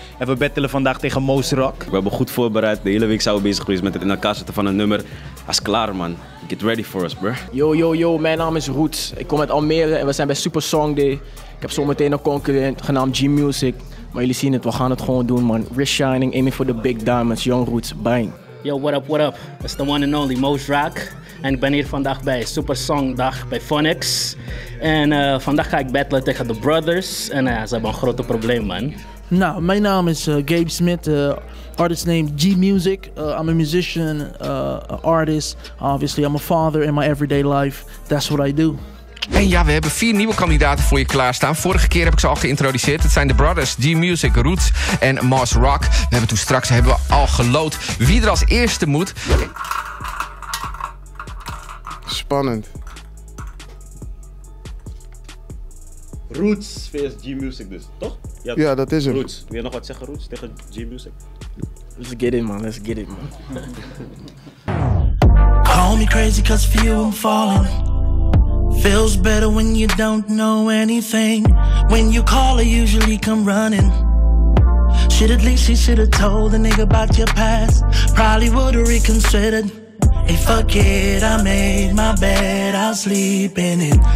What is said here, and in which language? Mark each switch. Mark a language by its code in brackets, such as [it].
[nl] En we battelen vandaag tegen Most Rock. We hebben goed voorbereid. De hele week zijn we bezig geweest met het in elkaar zetten van een nummer. Hij is klaar, man. [en] Get ready for us, bro. [nl] Yo, yo, yo. Mijn naam is Roet. Ik kom uit Almere en we zijn bij Super Song Day. Ik heb zometeen een concurrent genaamd G-Music. Maar jullie zien het, we gaan het gewoon doen, man. [en] Wrist shining, aiming for the big diamonds. Young Roots, bang. Yo, what up, what up? It's the one and only Most Rock. [nl] En ik ben hier vandaag bij Super Songdag bij Funix. En vandaag ga ik battlen tegen de brothers. En ze hebben een groot probleem, man. Nou, mijn naam is Gabe Smit. [en] Artist name G-Music. I'm a musician, an artist. Obviously, I'm a father in my everyday life. That's what I do. [nl] En ja, we hebben 4 nieuwe kandidaten voor je klaarstaan. Vorige keer heb ik ze al geïntroduceerd. Het zijn de brothers G-Music, Roots en Most Rock. We hebben toen straks hebben we al geloot wie er als eerste moet. Spannend. Roots vs G-Music dus, toch? Ja, dat is hem. Roots. Wil je nog wat zeggen, Roots, tegen G-Music? [en] Let's get it, man. Let's get it, man. Call me crazy cause for you I'm falling. Feels better when you don't know anything. When you call, I usually come running. Shit, at least you should have told the nigga about your past. Probably would have reconsidered. Hey, fuck it, I made my bed, I'll sleep in it.